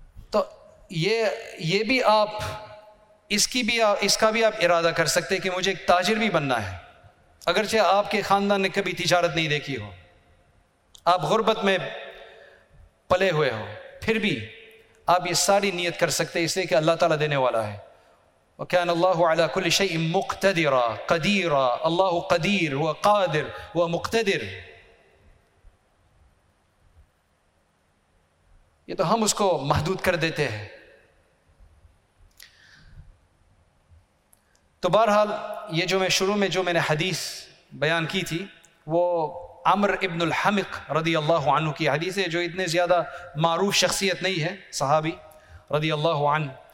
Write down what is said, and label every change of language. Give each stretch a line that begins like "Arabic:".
Urdu: تو یہ بھی آپ اس کا بھی آپ ارادہ کر سکتے ہیں کہ مجھے ایک تاجر بھی بننا ہے, اگرچہ آپ کے خاندان نے کبھی تجارت نہیں دیکھی ہو, آپ غربت میں پلے ہوئے ہو, پھر بھی آپ یہ ساری نیت کر سکتے ہیں, اس لیے کہ اللہ تعالیٰ دینے والا ہے.
Arabic: وكان الله على كل شيء مقتدرا قديرا, الله قدير وقادر ومقتدر.
Urdu: یہ تو ہم اس کو محدود کر دیتے ہیں. تو بہرحال یہ جو میں شروع میں جو میں نے حدیث بیان کی تھی وہ عمر ابن الحمق رضی اللہ عنہ کی حدیث ہے, جو اتنے زیادہ معروف شخصیت نہیں ہے, صحابی رضی اللہ عنہ.